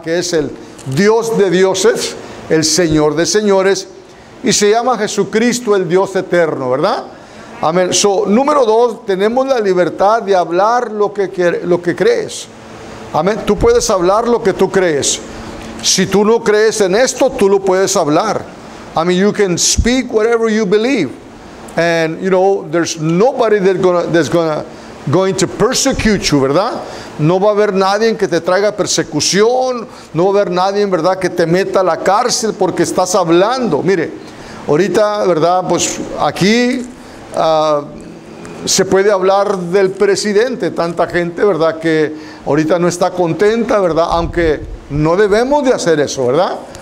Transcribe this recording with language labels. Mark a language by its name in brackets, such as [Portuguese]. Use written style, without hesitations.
[Spanish] Que es el Dios de dioses, el Señor de señores, y se llama Jesucristo, el Dios eterno, ¿verdad? Amén. So, número dos, tenemos la libertad de hablar lo que crees. Amén. Tú puedes hablar lo que tú crees. Si tú no crees en esto, tú lo puedes hablar. [English] I mean, you can speak whatever you believe. And, you know, there's nobody that's going to persecute you, ¿verdad? [Spanish] No va a haber nadie que te traiga persecución. No va a haber nadie, ¿verdad?, que te meta a la cárcel porque estás hablando. Mire, ahorita, ¿verdad?, pues aquí se puede hablar del presidente. Tanta gente, ¿verdad?, que ahorita no está contenta, ¿verdad?, aunque no debemos de hacer eso, ¿verdad?